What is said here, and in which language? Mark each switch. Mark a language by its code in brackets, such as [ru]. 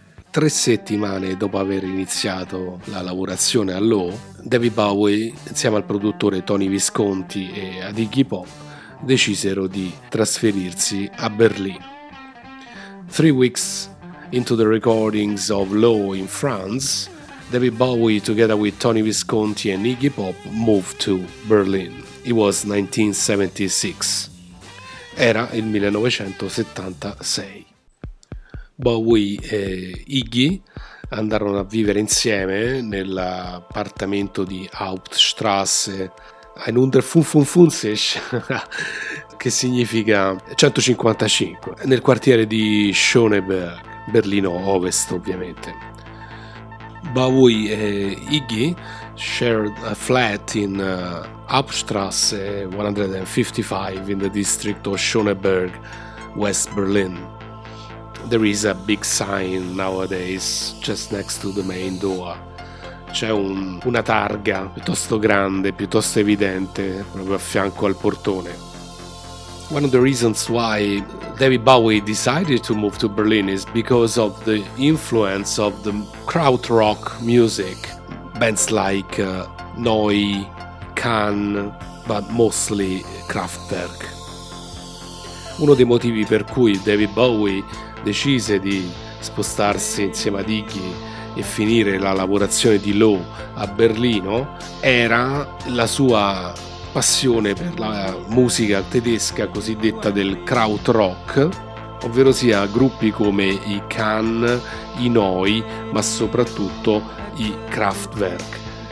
[it] Tre settimane dopo aver iniziato la lavorazione a Low, David Bowie insieme al produttore Tony Visconti e ad Iggy Pop decisero di trasferirsi a Berlino. [en] Three weeks into the recordings of Low in France, David Bowie together with Tony Visconti and Iggy Pop moved to Berlin. It was 1976. [it] Era il 1976. Bowie e Iggy andarono a vivere insieme nell'appartamento di Hauptstrasse, in Unterfunfunfunsisch, che significa 155, nel quartiere di Schöneberg, Berlino Ovest ovviamente. [en] Bowie e Iggy shared a flat in Hauptstrasse 155 in the district of Schöneberg, West Berlin. There is a big sign nowadays just next to the main door. C'è una targa piuttosto grande, piuttosto evidente, proprio a fianco al portone. One of the reasons why David Bowie decided to move to Berlin is because of the influence of the krautrock music, bands like Neu, Can, but mostly Kraftwerk. [it] Uno dei motivi per cui David Bowie decise di spostarsi insieme ad Iggy e finire la lavorazione di Low a Berlino era la sua passione per la musica tedesca cosiddetta del krautrock, ovvero sia gruppi come i Can, i Neu, ma soprattutto i Kraftwerk.